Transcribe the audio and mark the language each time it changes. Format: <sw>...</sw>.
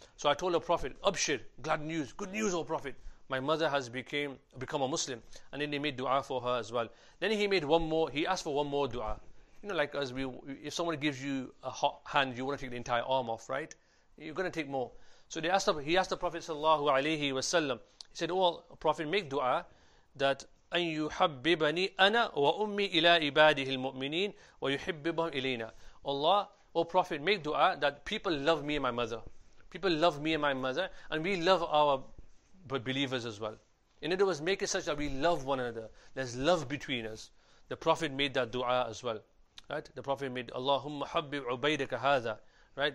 <en>So I told the Prophet, Abshir, glad news, good news, O Prophet. My mother has become a Muslim. And then he made dua for her as well. Then he asked for one more dua. You know, like as if someone gives you a hot hand, you want to take the entire arm off, right? You're going to take more. So he asked the Prophet sallallahu alayhi wa sallam. He said, oh, Prophet, make dua that</en> <ar>أن يحببني أنا وأمي إلى عباده المؤمنين ويحببهم إلينا.</ar> <en>Allah, O Prophet, make dua that people love me and my mother. People love me and my mother, and we love our believers as well. In other words, make it such that we love one another. There's love between us. The Prophet made that dua as well. Right? The Prophet made,</en> <ar>Allahumma habbib ubaydaka hadha.</ar> <en>Right?</en>